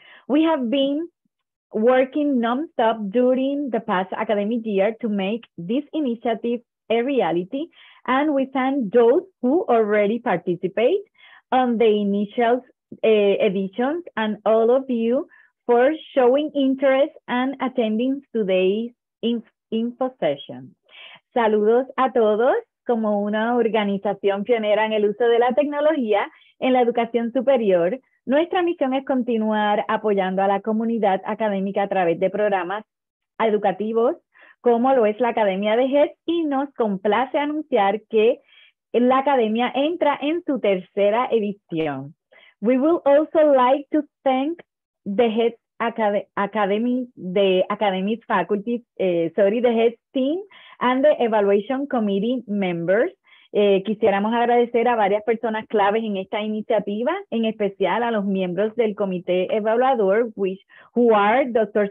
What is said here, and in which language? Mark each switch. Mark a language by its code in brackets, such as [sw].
[en] We have been working nonstop during the past academic year to make this initiative a reality, and we thank those who already participate on the initial editions and all of you for showing interest and attending today's info session. [es] Saludos a todos. Como una organización pionera en el uso de la tecnología en la educación superior, nuestra misión es continuar apoyando a la comunidad académica a través de programas educativos, como lo es la Academia de HETS, y nos complace anunciar que la Academia entra en su tercera edición. [en] We will also like to thank the HETS the HETS team and the evaluation committee members. [es] Quisiéramos agradecer a varias personas claves en esta iniciativa, en especial a los miembros del comité evaluador, [en] who are Dr.